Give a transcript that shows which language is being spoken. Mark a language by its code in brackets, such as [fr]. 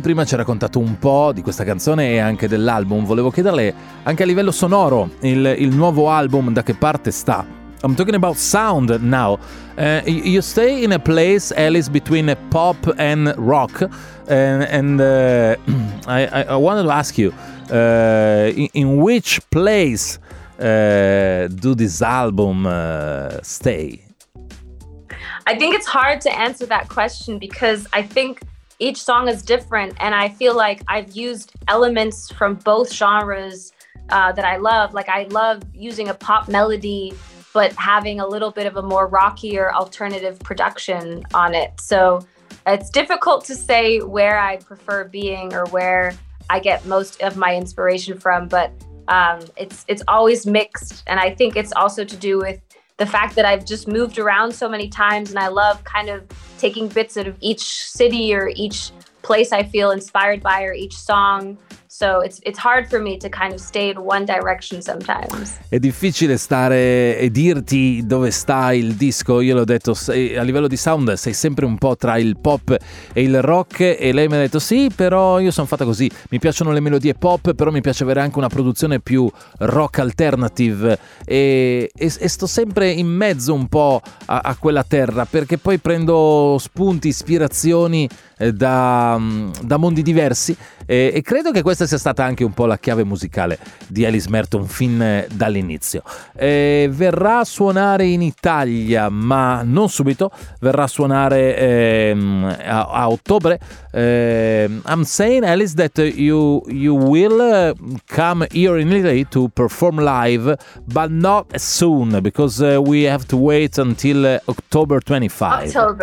[it] Prima ci ha raccontato un po' di questa canzone e anche dell'album. Volevo chiederle anche a livello sonoro il nuovo album da che parte sta. [en] I'm talking about sound now. You stay in a place, Alice, between pop and rock, and I wanted to ask you in which place do this album stay? I think it's hard to answer that question because I think each song is different, and I feel like I've used elements from both genres that I love. Like I love using a pop melody but having a little bit of a more rockier alternative production on it. So it's difficult to say where I prefer being or where I get most of my inspiration from, but it's always mixed. And I think it's also to do with the fact that I've just moved around so many times, and I love kind of taking bits out of each city or each place I feel inspired by or each song. So it's hard for me to kind of stay in one direction sometimes. [it] È difficile stare e dirti dove sta il disco. Io l'ho detto, sei, a livello di sound sei sempre un po' tra il pop e il rock, e lei mi ha detto sì, però io sono fatta così, mi piacciono le melodie pop, però mi piace avere anche una produzione più rock alternative, e sto sempre in mezzo un po' a quella terra, perché poi prendo spunti, ispirazioni da mondi diversi, e credo che questa sia stata anche un po' la chiave musicale di Alice Merton fin dall'inizio. Verrà a suonare in Italia, ma non subito, verrà a suonare a ottobre. [en] I'm saying, Alice, that you will come here in Italy to perform live, but not soon, because we have to wait until October 25.